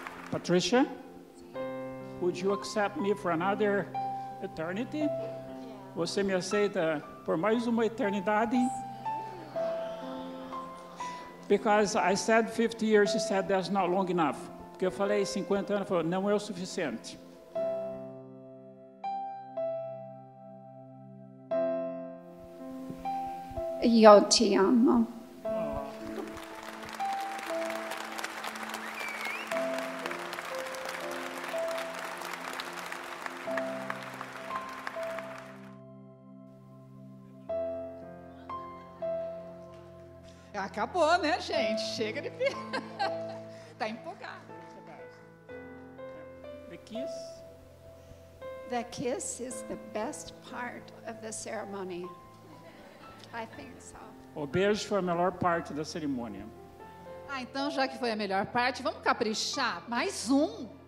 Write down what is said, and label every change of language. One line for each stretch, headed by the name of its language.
English: Patricia, would you accept me for another eternity?
Portuguese: Você me aceita por mais uma eternidade?
English: Because I said 50 years, you said that's not long enough.
Portuguese: Porque eu falei 50 anos, falou, não é o suficiente. Eu te amo. Acabou, né, gente? Chega de tá empolgado.
English: The kiss. The kiss is the best part of the ceremony. I think so.
Portuguese: O beijo foi a melhor parte da cerimônia. Ah, então já que foi a melhor parte, vamos caprichar mais um.